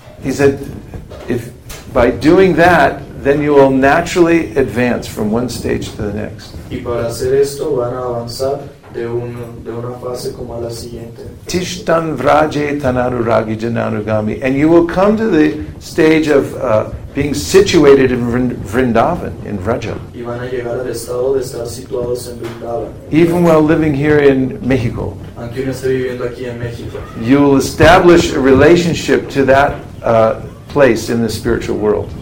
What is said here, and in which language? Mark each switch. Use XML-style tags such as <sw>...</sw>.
<en>He said, if by doing that, then you will naturally advance from one stage to the next.</en> <es>Y para hacer esto van a avanzar de una fase como a la siguiente.</es> <sa>Tishtan vraje tanarugami jananugami,</sa> <en>and you will come to the stage of being situated in Vrindavan, in Vraja.</en> <es>Y van a llegar al estado de estar situados en Vrindavan.</es> <en>Even while living here in Mexico.</en> <es>Aunque uno esté viviendo aquí en México.</es> <en>You will establish a relationship to that place in the spiritual world.</en>